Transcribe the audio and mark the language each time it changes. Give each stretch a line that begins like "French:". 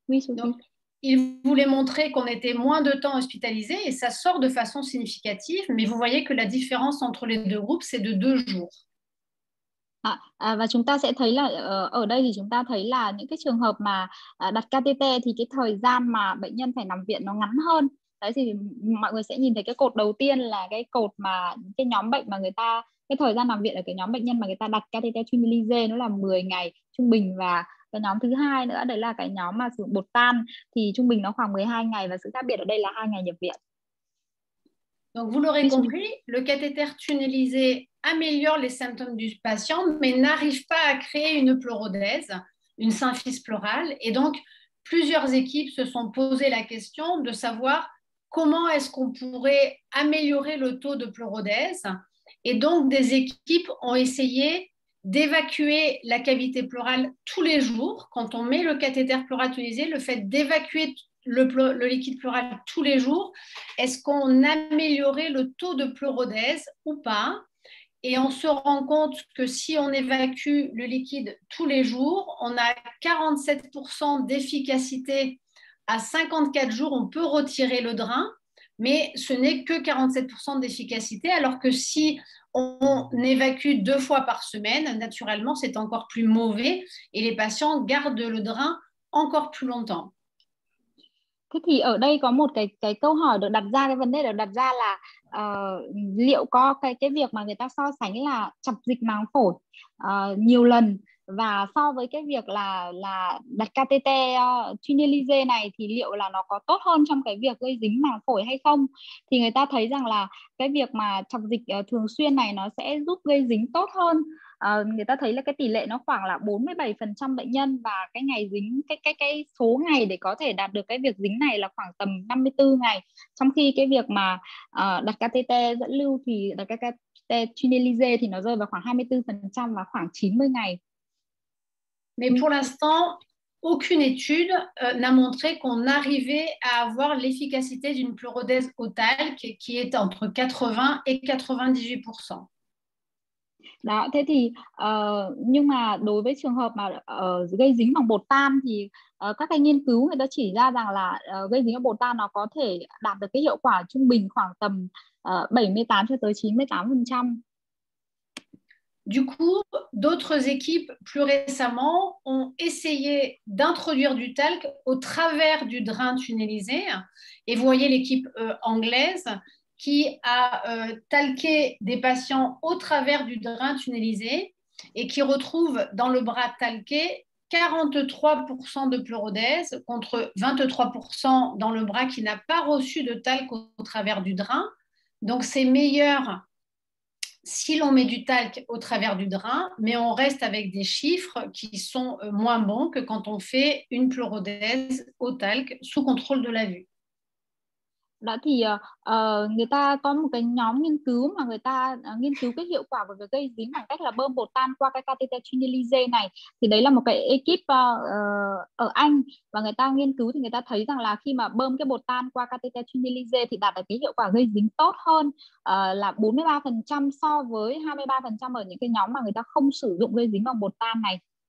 French: Donc, il voulait montrer qu'on était moins de temps hospitalisé et ça sort de façon significative, mais vous voyez que la différence entre les deux groupes c'est de 2 jours.
Vietnamese: Và chúng ta sẽ thấy là ở đây thì chúng ta thấy là những cái trường hợp mà đặt cateter thì cái thời gian mà bệnh nhân phải nằm viện nó ngắn hơn. Đấy thì mọi người sẽ nhìn thấy cái cột đầu tiên là cái cột mà cái nhóm bệnh mà người ta, cái thời gian nằm viện ở cái nhóm bệnh nhân mà người ta đặt cateter tunnelize nó là 10 ngày trung bình, và cái nhóm thứ hai nữa đấy là cái nhóm mà sử dụng bột tan thì trung bình nó khoảng 12 ngày, và sự khác biệt ở đây là 2 ngày nhập viện.
French: Donc vous l'aurez compris, le cathéter tunnelisé améliore les symptômes du patient, mais n'arrive pas à créer une pleurodèse, une symphyse pleurale. Et donc, plusieurs équipes se sont posées la question de savoir comment est-ce qu'on pourrait améliorer le taux de pleurodèse. Et donc, des équipes ont essayé d'évacuer la cavité pleurale tous les jours. Quand on met le cathéter pleural tunnelisé, le fait d'évacuer le liquide pleural tous les jours, est-ce qu'on améliorait le taux de pleurodèse ou pas? Et on se rend compte que si on évacue le liquide tous les jours, on a 47% d'efficacité à 54 jours, on peut retirer le drain, mais ce n'est que 47% d'efficacité, alors que si on évacue 2 fois par semaine, naturellement, c'est encore plus mauvais et les patients gardent le drain encore plus longtemps.
Vietnamese: Thế thì ở đây có một cái câu hỏi được đặt ra, cái vấn đề được đặt ra là liệu có cái việc mà người ta so sánh là chập dịch màng phổi nhiều lần và so với cái việc là đặt cateter tunnelize này thì liệu là nó có tốt hơn trong cái việc gây dính màng phổi hay không, thì người ta thấy rằng là cái việc mà chập dịch thường xuyên này nó sẽ giúp gây dính tốt hơn. Người ta thấy là cái tỷ lệ nó khoảng là 47% bệnh nhân và cái ngày dính, cái số ngày để có thể đạt được cái việc dính này là khoảng tầm 54 ngày, trong khi cái việc mà đặt cateter dẫn lưu thì đặt cateter tunnelize thì nó rơi vào khoảng 24% và khoảng 90 ngày.
French: Mais pour l'instant, aucune étude n'a montré qu'on arrivait à avoir l'efficacité d'une pleurodèse au talc qui est entre 80 et 98%.
Vietnamese: Đó, thế thì nhưng mà đối với trường hợp mà gây dính bằng bột tan thì các cái nghiên cứu người ta chỉ ra rằng là gây dính bằng bột tan nó có thể đạt được cái hiệu quả trung bình khoảng tầm 78 cho tới 98%.
French: Du coup, d'autres équipes plus récemment ont essayé d'introduire du talc au travers du drain tunnelisé. Et vous voyez l'équipe anglaise qui a talqué des patients au travers du drain tunnelisé et qui retrouve dans le bras talqué 43% de pleurodèse contre 23% dans le bras qui n'a pas reçu de talc au travers du drain. Donc, c'est meilleur si l'on met du talc au travers du drain, mais on reste avec des chiffres qui sont moins bons que quand on fait une pleurodèse au talc sous contrôle de la vue.
Vietnamese: Đó thì người ta có một cái nhóm nghiên cứu mà người ta nghiên cứu cái hiệu quả của việc gây dính bằng cách là bơm bột tan qua cái catheter tunnelisé này. Thì đấy là một cái ekip ở Anh, và người ta nghiên cứu thì người ta thấy rằng là khi mà bơm cái bột tan qua catheter tunnelisé thì đạt được cái hiệu quả gây dính tốt hơn là 43% so với 23% ở những cái nhóm mà người ta không sử dụng gây dính bằng bột tan này.